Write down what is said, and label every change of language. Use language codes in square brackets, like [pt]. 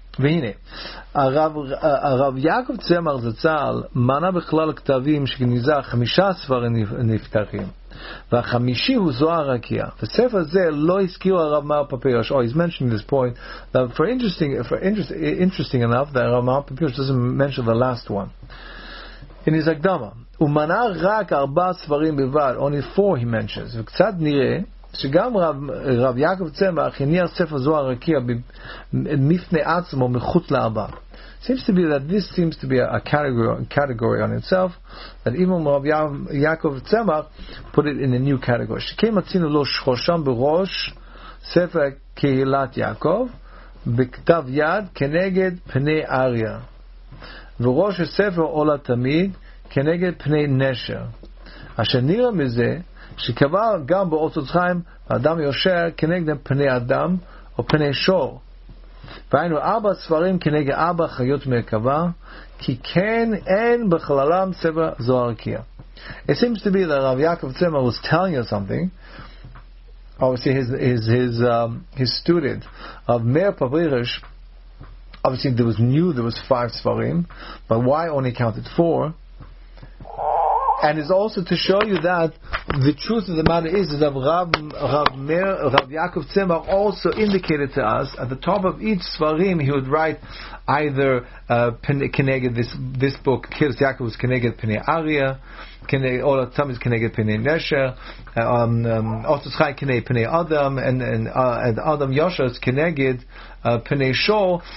[he] והנה, הרב יעקב צמר זצ"ל מנה בכלל כתבים שגניזה חמישה ספרים נפתחים, והחמישי הוא זוהר רקיע. וספר זה לא הזכיר הרב מר פפירש. [en] Oh, he's mentioning this point that for interesting enough that הרב מר פפירש doesn't mention the last one in his הקדמה. [he] הוא מנה רק ארבע ספרים בלבד, [en] only four he mentions. [he] וקצת נראה שגם רב יעקב צמח הניח ספר זוהר רקיע מפני עצמו מחוץ לארבע. [en] Seems to be that this seems to be a category on itself, that even רב יעקב צמח put it in a new category. [he] שכן מצינו לו שחושם בראש ספר קהילת יעקב בכתב יד כנגד פני אריה, וראש הספר עולה תמיד כנגד פני נשר, אשר נראה מזה שקבע גם באותות חיים אדם יושר כנגד פני אדם או פני שור, והיינו ארבע ספרים כנגד ארבע חיות מרכבה, כי כן אין בכללם ספר זוהר רקיע. [en] It seems to be that Rav Yaakov Tzemach was telling you something. Obviously his student of Meir Papirish, obviously there was five svarim, but why only counted four? And it's also to show you that the truth of the matter is that Rav Yaakov Tzemach also indicated to us at the top of each Svarim he would write either Keneged this book, Kirs Yaakov was Keneged Pnei Arya, or some is Keneged Pnei Nesher, Otos Chai Keneged Pnei Adam, and Adam Yosher is Keneged Pnei Shor.